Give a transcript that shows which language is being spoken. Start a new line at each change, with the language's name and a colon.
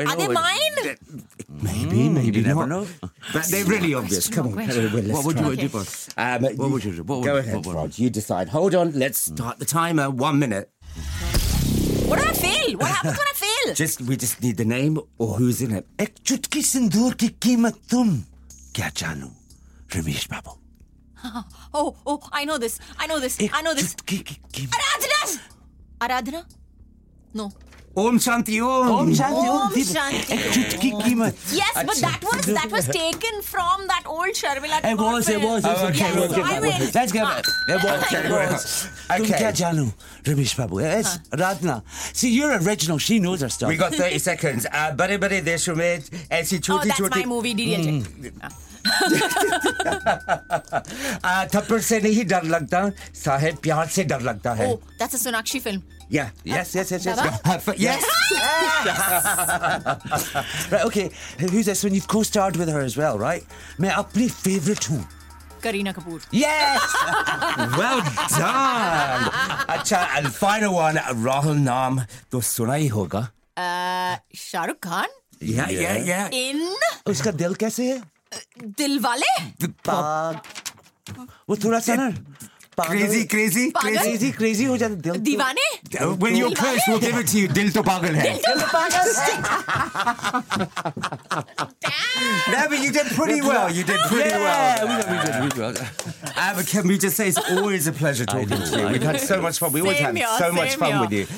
English: Are they mine? Maybe you not. Never know. But they're really obvious. Come on. What would you do, boss? What would you do? Go ahead, Rod. You decide. Hold on. Let's start the timer. 1 minute. What do I feel? What happens when I feel? We just need the name or who's in it.
Hindi: एक चुटकी सिंदूर की कीमत तुम क्या जानो? रमेश बाबू.
English: Oh, I know this. Aradhana! Aradhana? No. Om Shanti Om. Om Shanti Om. Om Shanti Om. Yes, but that was taken from that old Sharmila. It was. Okay, yes, okay, so let's go back. Okay.
Hindi: क्या जानू, रमेश बाबू.
English: Yes, Aradhana. See, you're original. She knows her stuff. We got 30 seconds.
Hindi: Bade bade desh mein aisi choti choti.
English: Oh, that's my movie, DDJ.
Hindi: Thappar se nahi dar lagta, sahib pyar se dar lagta hai.
English: Oh, that's a Sonakshi film. Yeah. Yes. Right, okay. Who's this one? You've co-starred with her as well, right?
Hindi: मैं अपनी favorite हूँ.
English: Kareena Kapoor. Yes. Well done.
Hindi: Acha,
English: and final one,
Hindi: Rahul Naam to sunai hoga.
English: Shah Rukh Khan? Yeah. In
Hindi: उसका दिल कैसे है? Dilwale? वो थोड़ा सा ना
English: crazy
Hindi: हो जाता दिल deewane
English: when you're cursed we'll give it to you
Hindi: dil to pagal hai dil to pagal hai
English: Damn. No, but you did pretty well. You did pretty well. Can we just say it's always a pleasure talking to you. We've had so much fun. We always have so much fun with you.